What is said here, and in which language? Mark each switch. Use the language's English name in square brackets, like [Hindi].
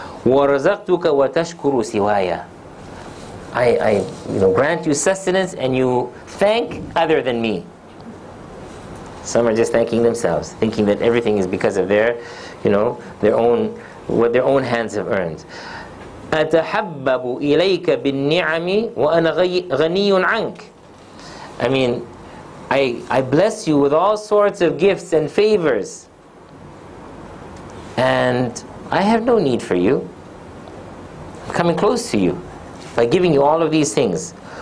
[Arabic] وَرَزَقْتُكَ وَتَشْكُرُ سِوَايَا. [English] I grant you sustenance and you thank other than me. Some are just thanking themselves, thinking that everything is because of their own hands have earned. [Arabic] أتحبب إليك بالنعم وأنا غني عنك. [English] I mean, I bless you with all sorts of gifts and favors, and I have no need for you. I'm coming close to you by giving you all of these things.